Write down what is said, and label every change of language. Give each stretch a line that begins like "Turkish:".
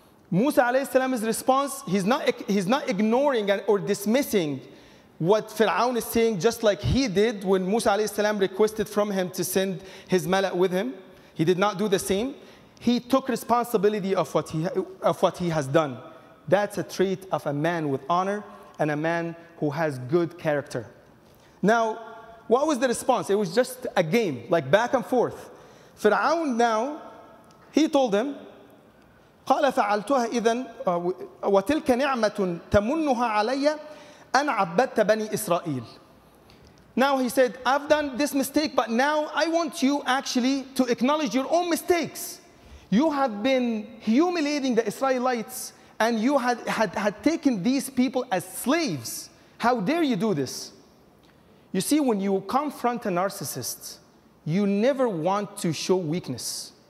English: Musa alayhi salam's response, he's not ignoring or dismissing what Fir'aun is saying, just like he did when Musa alayhi salam requested from him to send his mala' with him. He did not do the same. He took responsibility of what he has done. That's a trait of a man with honor and a man who has good character. Now, what was the response? It was just a game, like back and forth. Fir'aun now, he told him,
Arabic: قَالَ فَعَلْتُهَا إِذَنْ وَتِلْكَ نِعْمَةٌ تَمُنُّهَا عَلَيَّ أَنْ عَبَّدْتَ بَنِي إِسْرَائِيلِ.
English: Now he said, I've done this mistake, but now I want you actually to acknowledge your own mistakes. You have been humiliating the Israelites, and you had taken these people as slaves. How dare you do this? You see, when you confront a narcissist, you never want to show weakness.